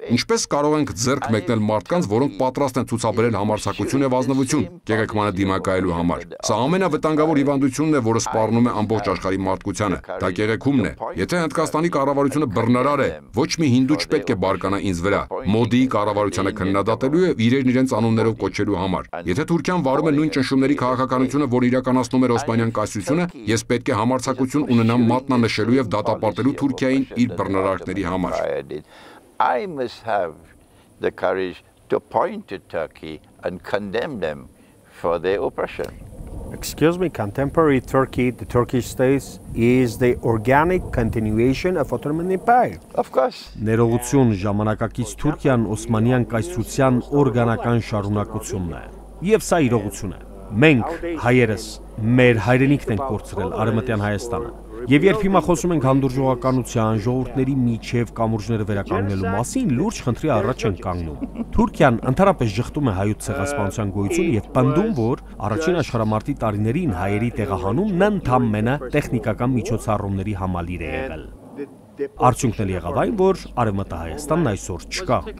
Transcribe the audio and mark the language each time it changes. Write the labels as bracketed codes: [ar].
[hy] Ինչպես կարող ենք ձեռք մեկնել մարդկանց, որոնք պատրաստ են ցուցաբերել համարձակություն և ազնվություն կեղեքմանը դիմակայելու համար։ Սա ամենավտանգավոր հիվանդությունն է, որը սպառնում է ամբողջ աշխարհի մարդկությանը։ Դա կեղեքումն է։ Եթե Հնդկաստանի կառավարությունը բռնարար է, ոչ մի հինդու չպետք է բարկանա ինձ վրա։ Մոդիի կառավարությունը քննադատելու է իրեն իրենց անուններով կոչելու համար։ Եթե Թուրքիան վարում է նույն ճնշումների քաղաքականությունը, որ իրականացնում էր Օսմանյան կայսրությունը, ես պետք է համարձակություն ունենամ մատնանշելու և դատապարտելու Թուրքիային իր բռնարարքների համար։ [en] I must have the courage to point to Turkey and condemn them for their oppression. Excuse me, contemporary Turkey, the Turkish states, is the organic continuation of Ottoman Empire. Of course. [hy] Ներողություն, ժամանակակից Թուրքիան Օսմանյան կայսրության օրգանական շարունակությունն է։ Եվ սա իրողություն է։ Մենք, հայերս, մեր հայրենիքն ենք կորցրել Արևմտյան Հայաստանը։ Եվ երբ հիմա խոսում ենք հանդուրժողականության, ժողովուրդների միջև կամուրջները վերականգնելու մասին, լուրջ խնդրի առաջ են կանգնում։ Թուրքիան ընդհանրապես ժխտում է հայոց ցեղասպանության գոյությունը և պնդում, որ առաջին աշխարհամարտի տարիներին հայերի տեղահանումն ընդամենը տեխնիկական միջոցառումների համալիր է եղել։ Արդյունքն էլ եղավ այն, որ Արևմտա Հայաստանն այսօր չկա։